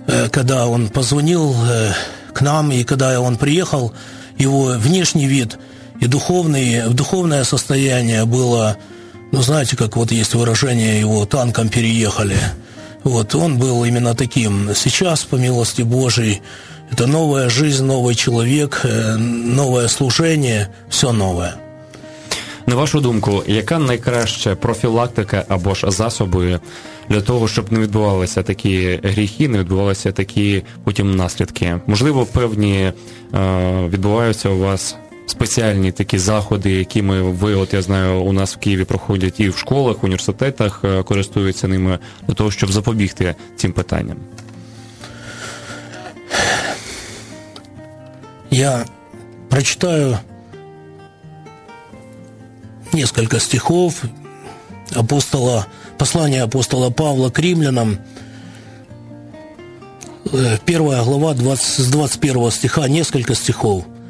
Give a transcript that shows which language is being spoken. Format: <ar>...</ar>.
<ru>Когда он позвонил к нам, и когда он приехал, его внешний вид и духовное состояние было, ну, знаете, как вот есть выражение, его танком переехали. Вот, он был именно таким. Сейчас, по милости Божией, это новая жизнь, новый человек, новое служение, все новое.</ru> <uk>На вашу думку, яка найкраща профілактика або ж засоби для того, щоб не відбувалися такі гріхи, не відбувалися такі потім наслідки? Можливо, певні відбуваються у вас спеціальні такі заходи, якими ви, от я знаю, у нас в Києві проходять і в школах, в університетах користуються ними для того, щоб запобігти цим питанням?</uk> <ru>Я прочитаю несколько стихов апостола, послания апостола Павла к римлянам. Первая глава, с 21 стиха, несколько стихов.</ru>